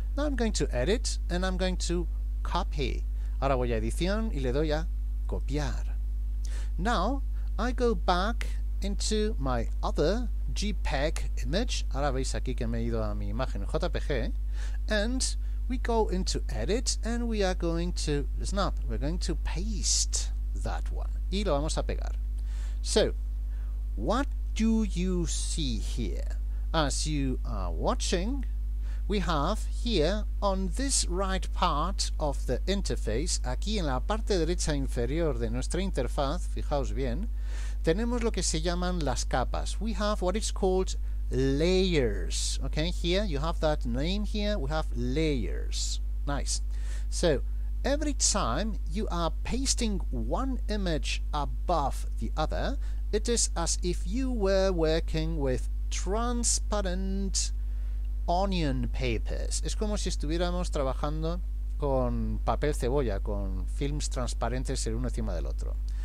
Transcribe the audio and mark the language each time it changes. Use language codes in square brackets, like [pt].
[en] Now I'm going to edit and I'm going to copy. [es] Ahora voy a edición y le doy a copiar. [en] Now I go back into my other JPEG image. [es] Ahora veis aquí que me he ido a mi imagen JPG. [en] And we go into edit and we are going to, listen up, we're going to paste that one. [es] Y lo vamos a pegar. [en] So, what do you see here? As you are watching, we have here on this right part of the interface, [es] aquí en la parte derecha inferior de nuestra interfaz, fijaos bien, tenemos lo que se llaman las capas. [en] We have what is called layers. Okay, here you have that name here, we have layers. Nice. So, every time you are pasting one image above the other, it is as if you were working with transparent onion papers. [es] Es como si estuviéramos trabajando con papel cebolla, con films transparentes el uno encima del otro.